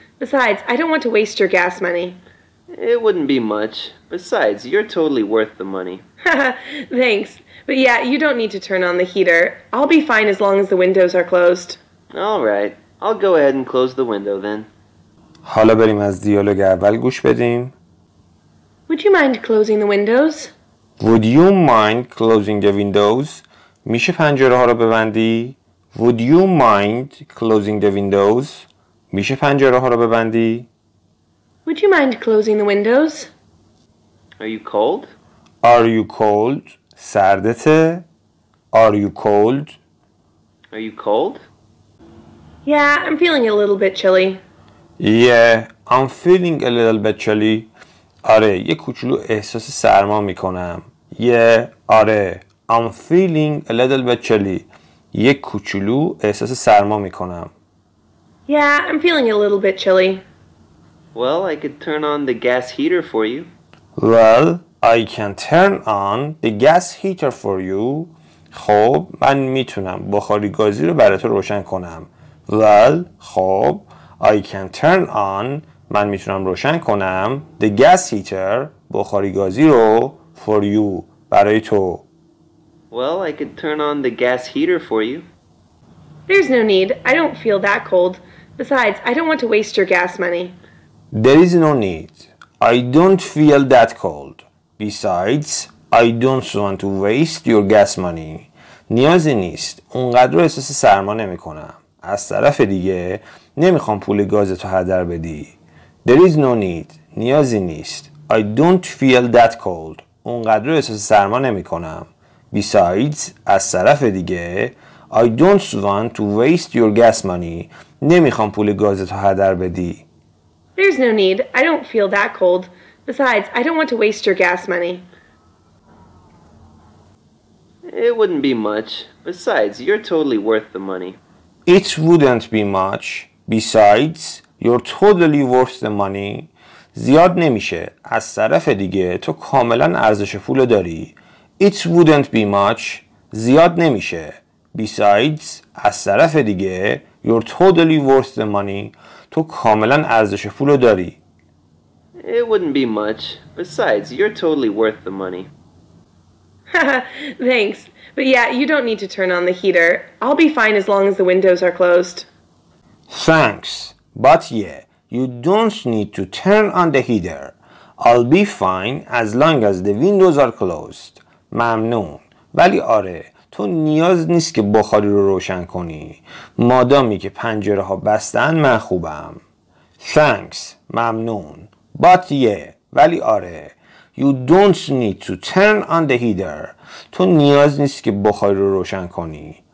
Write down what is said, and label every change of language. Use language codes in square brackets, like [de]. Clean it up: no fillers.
[en] Besides, I don't want to waste your gas money. It wouldn't be much. Besides, you're totally worth the money. Haha, thanks. But yeah, you don't need to turn on the heater. I'll be fine as long as the windows are closed. All right. I'll go ahead and close the window then. [fa] حالا بریم از دیالوگ اول گوش بدیم. [en] Would you mind closing the windows? Would you mind closing the windows? [fa] میشه پنجره ها رو ببندی؟ [en] Would you mind closing the windows? [fa] میشه پنجره ها رو ببندی؟ [en] Would you mind closing the windows? Are you cold? Are you cold? [fa] سردته؟ [en] Are you cold? Are you cold? Yeah, I'm feeling a little bit chilly. Yeah, I'm feeling a little bit chilly. [fa] آره، یه کوچولو احساس سرما میکنم. [en] Yeah, آره. I'm feeling a little bit chilly. [fa] یه کوچولو احساس سرما میکنم. [en] Yeah, I'm feeling a little bit chilly. Well, I could turn on the gas heater for you. Well, I can turn on the gas heater for you. [fa] خب، من میتونم بخاری گازی رو برات روشن کنم. [en] Well, خب، I can turn on. [fa] من میتونم روشن کنم [en] the gas heater [fa] بخاری گازی رو [en] for you [fa] برای تو. [en] Well, I could turn on the gas heater for you. There's no need. I don't feel that cold. Besides, I don't want to waste your gas money. There is no need. I don't feel that cold. Besides, I don't want to waste your gas money. [fa] نیازی نیست. اونقدر احساس سرما نمی کنم. از طرف دیگه نمیخوام پول گازتو هدر بدی. [en] There is no need. [fa] نیازی نیست. [en] I don't feel that cold. [fa] اونقدر احساس سرما نمی کنم. [en] Besides, [fa] از طرف دیگه [en] I don't want to waste your gas money. [fa] نمیخوام پول گازتو هدر بدی. [en] There's no need. I don't feel that cold. Besides, I don't want to waste your gas money. It wouldn't be much. Besides, you're totally worth the money. It wouldn't be much. Besides, you're totally worth the money. [fa] زیاد نمیشه. از طرف دیگه تو کاملا ارزش پول داری. [en] It wouldn't be much. [fa] زیاد نمیشه. [en] Besides, [fa] از طرف دیگه [en] you're totally worth the money. [fa] تو کاملا ارزش پول رو داری. [en] It wouldn't be much. Besides, you're totally worth the money. Thanks. But yeah, you don't need to turn on the heater. I'll be fine as long as the windows are closed. Thanks. But yeah, you don't need to turn on the heater. I'll be fine as long as the windows are closed. [fa] ممنون. ولی آره، تو نیاز نیست که بخاری رو روشن کنی. مادامی که پنجره ها بستن من خوبم. [en] Thanks. ممنون. But yeah. [fa] ولی آره. [en] You don't need to turn on the heater. [fa] تو نیاز نیست که بخاری رو روشن کنی.